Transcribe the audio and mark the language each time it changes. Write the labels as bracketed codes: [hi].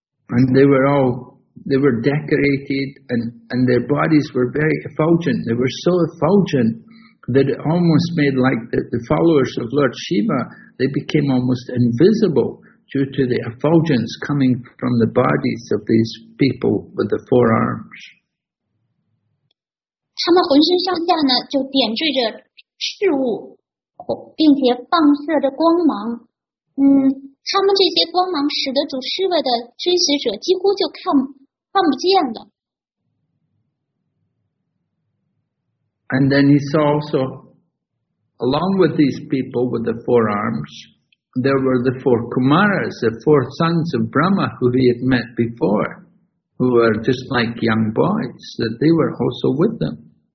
[en] And they were decorated, and their bodies were very effulgent. They were so effulgent that it almost made like the followers of Lord Shiva, they became almost invisible due to the effulgence coming from the bodies of these people with the four arms. [zh] 他们浑身上下呢，就点缀着事物，并且放射着光芒。他们这些光芒使得主师傅的追随者几乎就看不见了。 [en] And then he saw also, along with these people with the four arms, there were the four Kumaras, the four sons of Brahma who he had met before, who were just like young boys, that they were also with them.